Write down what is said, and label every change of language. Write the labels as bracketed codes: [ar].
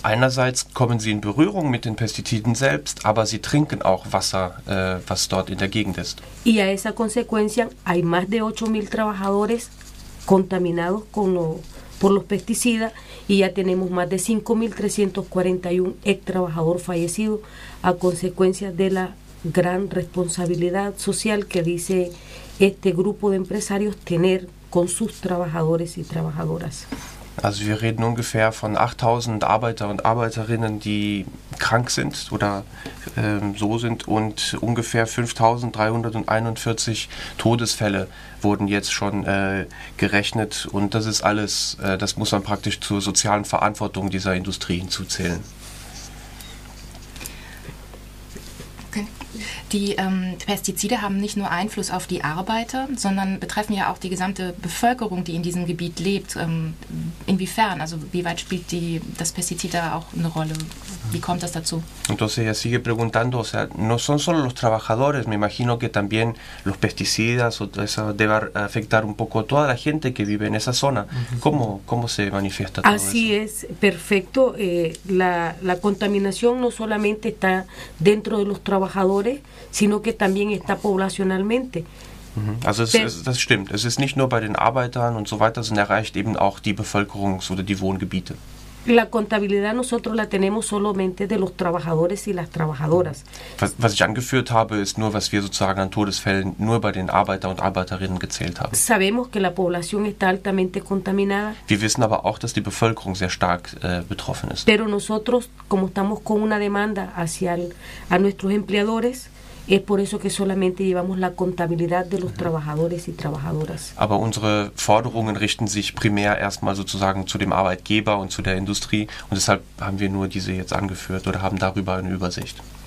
[de] Einerseits kommen sie in Berührung mit den Pestiziden selbst, aber sie trinken auch Wasser, was dort in der Gegend ist. [es] Y a esa consecuencia hay más de 8.000 trabajadores contaminados por los pesticidas y ya tenemos más de 5.341 ex trabajador fallecido a consecuencia de la gran responsabilidad social que dice este grupo de empresarios tener con sus trabajadores y trabajadoras. [de] Also wir reden ungefähr von 8.000 Arbeiter und Arbeiterinnen, die krank sind oder so sind und ungefähr 5.341 Todesfälle wurden jetzt schon gerechnet und das ist alles, das muss man praktisch zur sozialen Verantwortung dieser Industrie hinzuzählen. Die Pestizide haben nicht nur Einfluss auf die Arbeiter, sondern betreffen ja auch die gesamte Bevölkerung, die in diesem Gebiet lebt. Inwiefern, also wie weit spielt das Pestizid da auch eine Rolle? Wie kommt das dazu? [es] Entonces ella sigue preguntando, o sea, no son solo los trabajadores, me imagino que también los pesticidas, o eso debe afectar un poco a toda la gente que vive en esa zona. ¿Cómo se manifiesta todo Así eso? Es, perfecto. La contaminación no solamente está dentro de los trabajadores, sino que también está poblacionalmente. [de] Also das stimmt. Es ist nicht nur bei den Arbeitern und so weiter, sondern erreicht eben auch die Bevölkerungs- oder die Wohngebiete. [es] La contabilidad nosotros la tenemos solamente de los trabajadores y las trabajadoras. [de] Was ich angeführt habe, ist nur, was wir sozusagen an Todesfällen nur bei den Arbeiter und Arbeiterinnen gezählt haben. [es] Sabemos que la población está altamente contaminada. [de] Wir wissen aber auch, dass die Bevölkerung sehr stark betroffen ist. [es] Pero nosotros, como estamos con una demanda hacia a nuestros empleadores, es por eso que solamente llevamos la contabilidad de los trabajadores y trabajadoras. [de] Aber unsere Forderungen richten sich primär erstmal sozusagen zu dem Arbeitgeber und zu der Industrie und deshalb haben wir nur diese jetzt angeführt oder haben darüber eine Übersicht.